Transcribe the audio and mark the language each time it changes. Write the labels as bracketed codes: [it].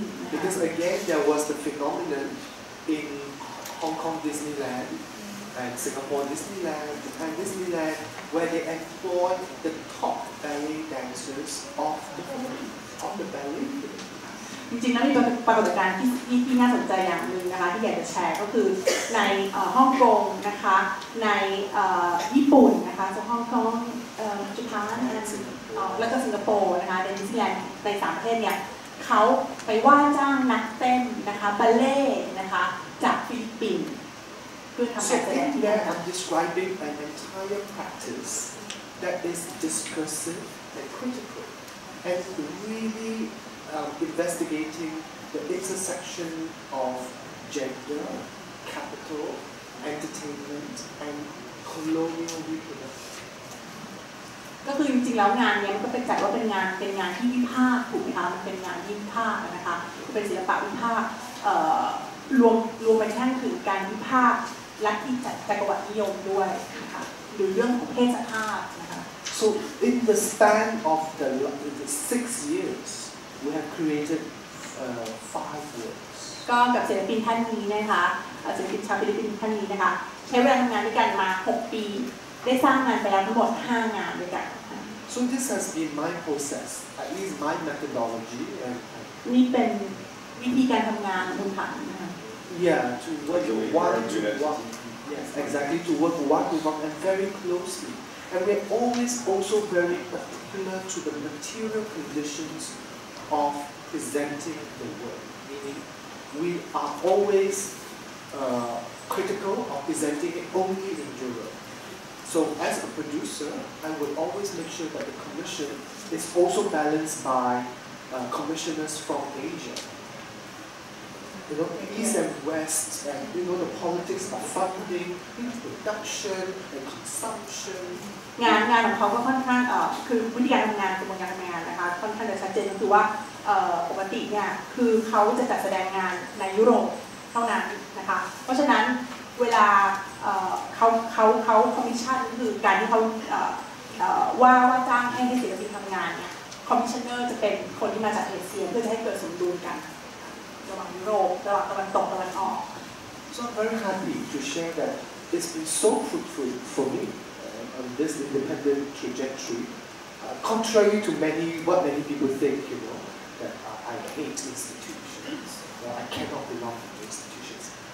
[en] Because again, there was the phenomenon in Hong Kong Disneyland. And Singapore Disneyland, Japan Disneyland, where they employed the top ballet dancers of the ballet. [th] จริงๆแล้วมีปรากฏการณ์ที่น่าสนใจอย่างนึงนะคะที่อยากจะแชร์ก็คือในฮ่องกงนะคะในญี่ปุ่นนะคะจะฮ่องกงจีนและก็สิงคโปร์นะคะในดิสนีย์แลนด์ในสามประเทศเนี่ยเขาไปว่าจ้างนักเต้นนะคะบัลเล่นะคะจากฟิลิปปินส์ [en] So in there, I'm describing an entire practice that is discursive and critical, and really investigating the intersection of gender, capital, entertainment, and colonial reproduction. [th] ก็คือจริงๆแล้วงานเนี่ยมันก็เป็นจัดว่าเป็นงานที่วิพากษ์ถูกไหมคะมันเป็นงานวิพากษ์นะคะเป็นศิลปะวิพากษ์รวมไปทั้งถึงการวิพากษ์และที่จักรวรรดินิยมด้วยนะคะหรือเรื่องของเพศสภาพนะคะ [en] So in the span of the 6 years we have created 5 works [th] ก็กับศิลปินท่านนี้นะคะศิลปินชาวฟิลิปปินส์ท่านนี้นะคะใช้เวลาทำงานด้วยกันมา6 ปีได้สร้างงานไปแล้วทั้งหมด5 งานด้วยกัน [en] So this has been my process at least my methodology and [th] นี่เป็นวิธีการทำงานคุณถาม [en] Yeah, to work one to one, and very closely. And we're always also very particular to the material conditions of presenting the work. Meaning, we are always critical of presenting it only in Europe. So as a producer, I will always make sure that the commission is also balanced by commissioners from Asia. You know, East and West, and you know the politics of funding, production, and consumption. [th] งานของเขาก็ค่อนข้างคือวิธีการทำงานกระบวนการทำงานนะคะค่อนข้างจะชัดเจนก็คือว่าปกติเนี่ยคือเขาจะจัดแสดงงานในยุโรปเท่านั้นนะคะเพราะฉะนั้นเวลาเขาคอมมิชชั่นคือการที่เขาว่าจ้างให้ศิลปินทำงานเนี่ยคอมมิชชันเนอร์จะเป็นคนที่มาจากเอเชียเพื่อจะให้เกิดสมดุลกัน [en] So I'm very happy to share that it's been so fruitful for me on this independent trajectory. Contrary to what many people think, you know, that I hate institutions, that I cannot belong to institutions.